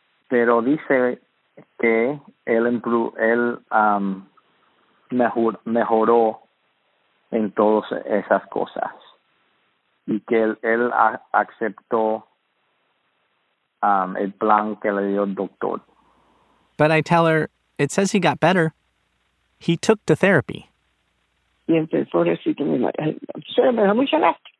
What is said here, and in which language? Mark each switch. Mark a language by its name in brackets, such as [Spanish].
[Spanish] Pero dice que él mejoró en todas esas cosas y que él aceptó el plan que le dio el doctor. [English] But I tell her, it says he got better. He took to therapy. [Spanish] Y empezó a decir que me dejó mucho más.